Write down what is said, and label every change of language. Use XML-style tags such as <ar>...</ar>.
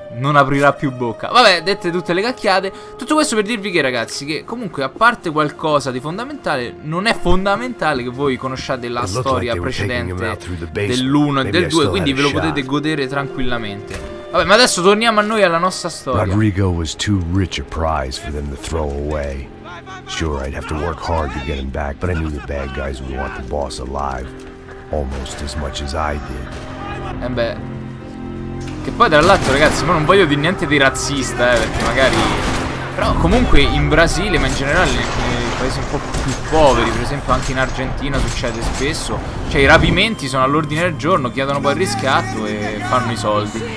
<it>Non aprirà più bocca. Vabbè, dette tutte le cacchiate, tutto questo per dirvi che, ragazzi, che comunque, a parte qualcosa di fondamentale, non è fondamentale che voi conosciate la storia precedente dell'1 e del 2, quindi ve lo potete godere tranquillamente. Vabbè, ma adesso torniamo a noi, alla nostra storia.</it> <en>Rodrigo was too rich a prize for them to throw away. Sure, I'd have to work hard to get him back, but I knew the bad guys would want the boss alive almost as much as I did.</en> <it>E beh, che poi tra l'altro ragazzi, ma non voglio dire niente di razzista, perché magari, però comunque in Brasile, ma in generale nei paesi un po' più poveri, per esempio anche in Argentina succede spesso, cioè i rapimenti sono all'ordine del giorno, chiedono poi il riscatto e fanno i soldi.</it>